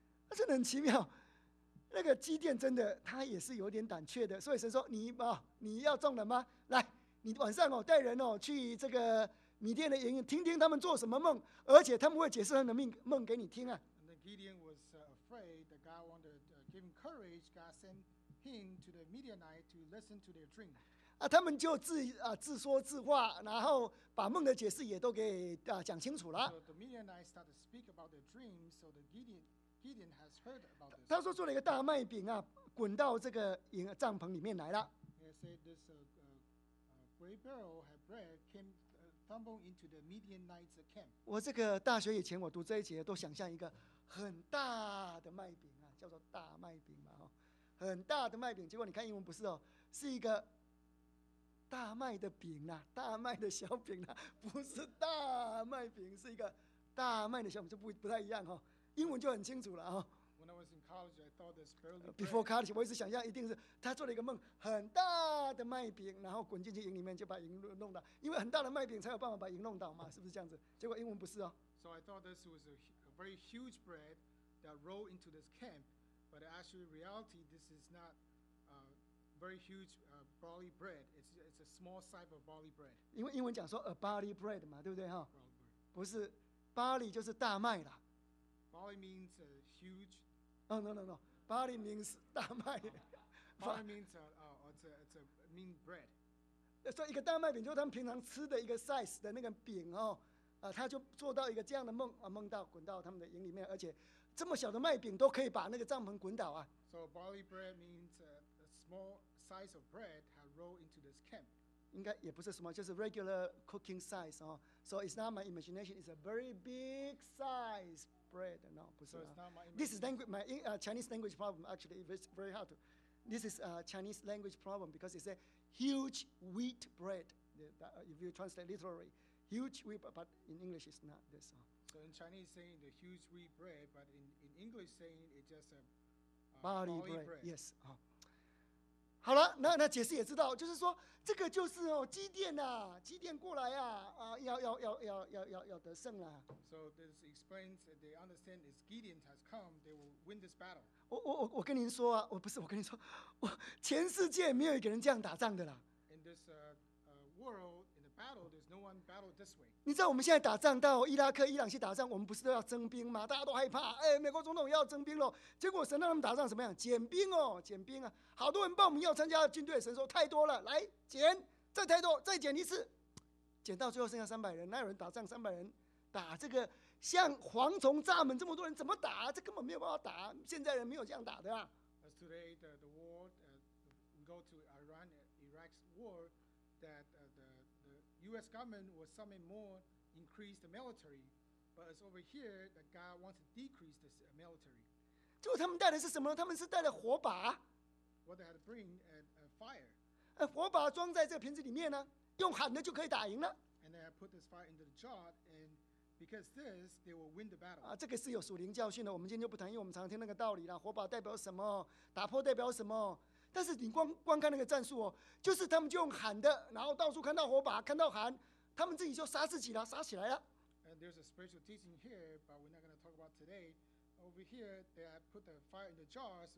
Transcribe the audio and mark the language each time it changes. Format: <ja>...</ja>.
<zh>真的很奇妙，那个基甸真的他也是有点胆怯的，所以神说你要中了吗？来，你晚上带人去这个米甸的营，听听他们做什么梦，而且他们会解释他们的梦给你听啊。</zh> <en>And Gideon was afraid that God wanted to give him courage. God sent him to the Midianite to listen to their dream.</en> <zh>他们就自说自话，然后把梦的解释也都给讲清楚了。</zh> <en>So the Midianite started to speak about their dream, so the Gideon has heard about this.</en> <zh>他说做了一个大麦饼滚到这个帐篷里面来了。</zh> <en>He said this gray barrel had bread came tumbling into the Midianite's camp.</en> <zh>我这个大学以前我读这一节都想象一个很大的麦饼叫做大麦饼嘛，很大的麦饼。结果你看英文不是是一个大麦的饼大麦的小饼不是大麦饼，是一个大麦的小饼，就 不太一样英文就很清楚了</zh> <en>When I was in college, I thought this barely bread. Before college,</en> <zh>我一直想象一定是他做了一个梦，很大的麦饼，然后滚进去营里面就把营弄倒，因为很大的麦饼才有办法把营弄倒嘛，是不是这样子？结果英文不是</zh> <en>So I thought this was a very huge bread that rolled into this camp, but actually, in reality, this is not a very huge barley bread. It's a small type of barley bread.</en> <zh>因为英文讲说 a barley bread 嘛，对不对</zh> <en>？Barley bread.</en> <zh>不是 barley 就是大麦啦。</zh> <en>Barley means a huge. Oh no no no. Barley means 大麦。 Barley means it's a mean bread.</en> <zh>所以一个大麦饼就是他们平常吃的一个 size 的那个饼他就做到一个这样的梦梦到滚到他们的营里面，而且这么小的麦饼都可以把那个帐篷滚倒 So barley bread means a small size of bread had rolled into this camp. 应该也不是什么，就是</zh> <en>regular cooking size So it's not my imagination. It's a very big size. Bread, no, so this is language, my Chinese language problem. Actually, it's very hard. This is a Chinese language problem because it's a huge wheat bread. If you translate literally, huge wheat, but in English, it's not this. So in Chinese, saying the huge wheat bread, but in English, saying it's just a barley bread, bread. Yes.</en> <zh>好了，那解释也知道，就是说这个就是基甸基甸过来要得胜啦。</zh> <en>So this explains that they understand if Gideon has come, they will win this battle.</en> <zh>我跟您说我跟您说，我全世界没有一个人这样打仗的啦。</zh> <en>In this world, in the battle, there's no one battle this way.</en> <zh>你知道我们现在打仗到伊拉克、伊朗去打仗，我们不是都要征兵吗？大家都害怕，美国总统要征兵了。结果神让他们打仗怎么样？减兵减兵好多人报名要参加军队，神说太多了，来减，再太多，再减一次，减到最后剩下三百人，哪有人打仗三百人？打这个像蝗虫蚱蜢这么多人怎么打？这根本没有办法打，现在人没有这样打的</zh> <en>As today the war, we go to Iran, Iraq's war. That the U.S. government will summon more, increase the military, but it's over here that God wants to decrease the military.</en> <zh>结果他们带的是什么？他们是带了火把。</zh> <en>What they had to bring a fire.</en> <zh>火把装在这个瓶子里面用喊的就可以打赢了。</zh> <en>And they had put this fire into the jar, and because this, they will win the battle.</en> <zh>这个是有属灵教训的，我们今天就不谈，因为我们常听那个道理了。火把代表什么？打破代表什么？但是你光看那个战术就是他们就用喊的，然后到处看到火把，看到喊，他们自己就杀自己了，杀起来了。</zh> <en>And there's a spiritual teaching here, but we're not going to talk about today. Over here, they have put the fire in the jars.</en>